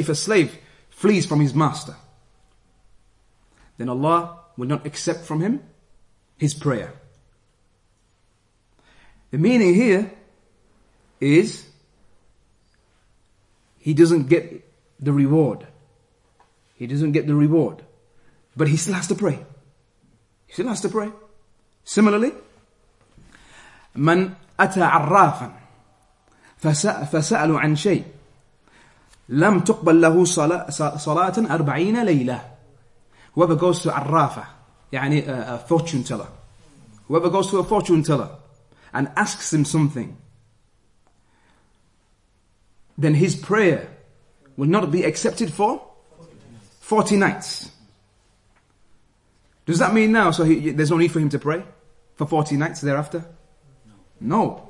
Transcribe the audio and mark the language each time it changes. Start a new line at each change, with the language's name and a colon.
English: If a slave flees from his master, then Allah will not accept from him his prayer. The meaning here is he doesn't get the reward. He doesn't get the reward, but he still has to pray. He still has to pray. Similarly,
Arabic: من أتى عرافا فسألوا عن شيء لم تقبل له صلاة 40 ليلة.
English: Whoever goes to
Arabic: عرافة, يعني
English: a fortune teller. Whoever goes to a fortune teller and asks him something, then his prayer will not be accepted for 40 nights. Does that mean now, there's no need for him to pray for 40 nights thereafter? No.